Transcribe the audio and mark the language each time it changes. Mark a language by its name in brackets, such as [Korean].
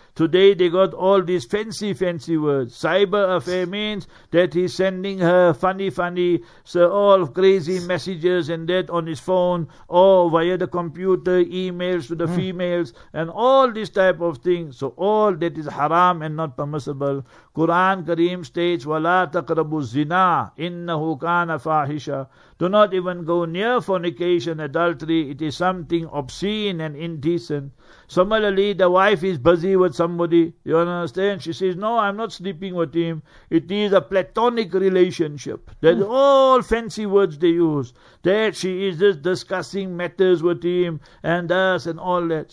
[English] Today they got all these fancy words. Cyber affair means that he's sending her funny, so all crazy messages and that on his phone or via the computer, emails to the females and all these type of things. So all that is haram and not permissible. [Arabic] Quran Kareem states, وَلَا تَقْرَبُوا الزِّنَا إِنَّهُ كَانَ فَاحِشًا. [English] Do not even go near fornication, adultery. It is something obscene and indecent. Similarly, the wife is busy with somebody. You understand? She says, no, I'm not sleeping with him. It is a platonic relationship. That's all fancy words they use. That she is just discussing matters with him and us and all that.